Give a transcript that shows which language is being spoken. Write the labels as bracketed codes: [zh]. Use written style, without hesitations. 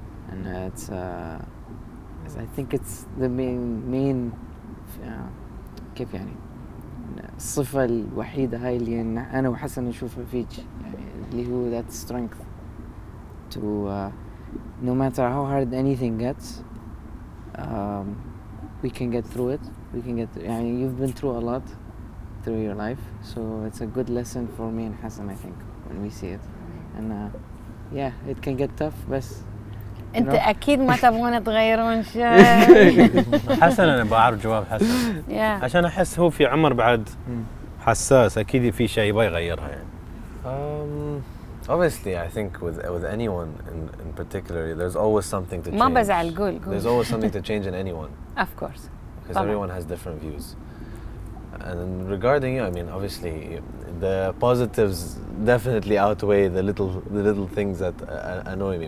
[en] And it's, I think it's the main [ar] كيف يعني الصفة الوحيدة هاي اللي أنا وحسن نشوفها فيك يعني، اللي هو [en] that strength to no matter how hard anything gets we can get through it. We can get. I mean, you've been through a lot through your life, so it's a good lesson for me and Hassan, I think, when we see it. And yeah, it can get tough, but. [ar] أنت أكيد ما تبغون تغيرون شيء. حسن أنا بعرف جواب حسن. عشان أحس هو في عمر بعد حساس أكيد في شيء يبغى يغيرها يعني. [en] Obviously, I think with anyone in particular, there's always something to change. [ar] ما بزعل قول قول. [en] There's always something to change in anyone. Of course. Because everyone has different views. And regarding you, I mean, obviously, the positives definitely outweigh the little things that annoy me.